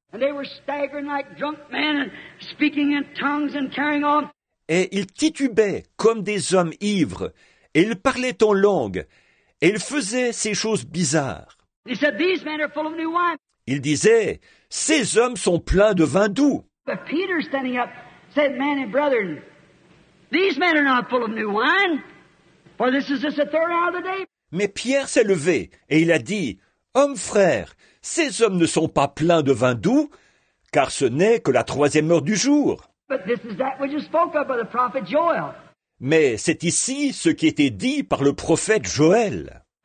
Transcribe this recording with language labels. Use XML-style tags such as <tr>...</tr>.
<en>And they were staggering like drunk men and speaking in tongues and carrying on.</en> <fr>Et ils titubaient comme des hommes ivres, et ils parlaient en langue, et ils faisaient ces choses bizarres.</fr> <en>He said, "These men are full of new wine."</en> <fr>Il disait, ces hommes sont pleins de vin doux.</fr> <en>But Peter standing up said, "Men and brethren, these men are not full of new wine, for this is just the third hour of the day."</en> <fr>Mais Pierre s'est levé et il a dit, hommes frères, ces hommes ne sont pas pleins de vin doux, car ce n'est que la troisième heure du jour.</fr> <en>But this is that which is spoken by the prophet Joel.</en> <fr>Mais c'est ici ce qui était dit par le prophète Joël.</fr>